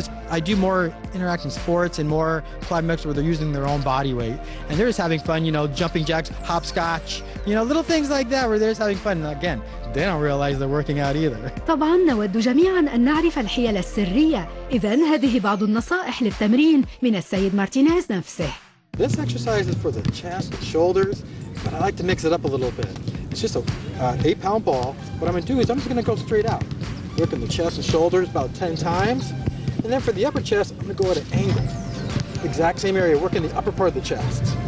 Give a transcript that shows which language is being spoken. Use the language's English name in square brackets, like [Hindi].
[English] I do more interacting sports and more plyometrics where they're using their own body weight. And they're just having fun, you know, jumping jacks, hopscotch, you know, little things like that where they're just having fun. And again, they don't realize they're working out either. [Arabic] طبعا نود جميعا أن نعرف الحيل السرية. إذن هذه بعض النصائح للتمرين من السيد مارتينيز نفسه. [English] This exercise is for the chest, the shoulders, but I like to mix it up a little bit. It's just an 8-pound ball. What I'm going to do is I'm just going to go straight out, working the chest and shoulders about 10 times. And then for the upper chest, I'm going to go at an angle, exact same area, working the upper part of the chest.